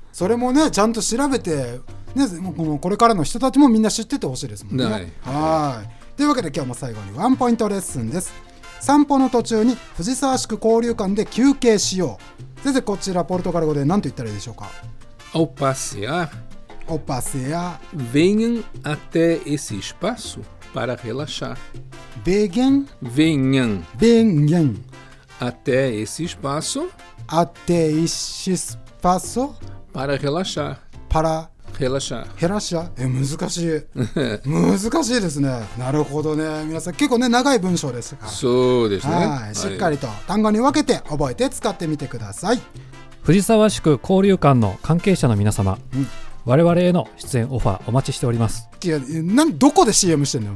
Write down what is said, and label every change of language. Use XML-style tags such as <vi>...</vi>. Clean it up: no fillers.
<ja>それもねちゃんと調べて、ね、これからの人たちもみんな知っててほしいですもんね。はい、というわけで今日も最後にワンポイントレッスンです。散歩の途中に藤沢宿交流館で休憩しよう。先生こちらポルトガル語で何と言ったらいいでしょうか。オパセア。オパセア。</ja> <pt>Venham até esse espaço para relaxar. Venham. Venham. Venham. Até esse espaço. Até esse espaço. Para relaxar. Para relaxar. Relaxar. É,</pt> <ja>難しい。難しいですね。なるほどね。皆さん、結構ね、長い文章ですが。そうですね。はい。しっかりと単語に分けて覚えて使ってみてください。藤沢宿交流館の関係者の皆様、我々への出演オファーお待ちしております。いや、どこで CM してんのお</ja>